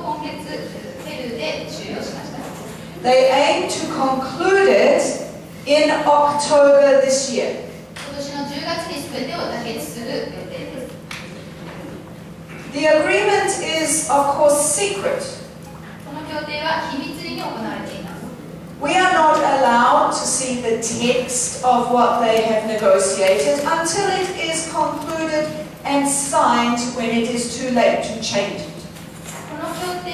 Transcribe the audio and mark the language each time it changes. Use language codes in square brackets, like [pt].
[ja] 最後の会合は18回目の会合でしたが、ちょうど今月ペルーで終了しました。 [en] They aim to conclude it in October this year. [ja] 今年の10月に全てを妥結する予定です。 [en] The agreement is of course secret. [ja] この協定は秘密裏に行われています。 [en] We are not allowed to see the text of what they have negotiated until it is concluded and signed when it is too late to change it.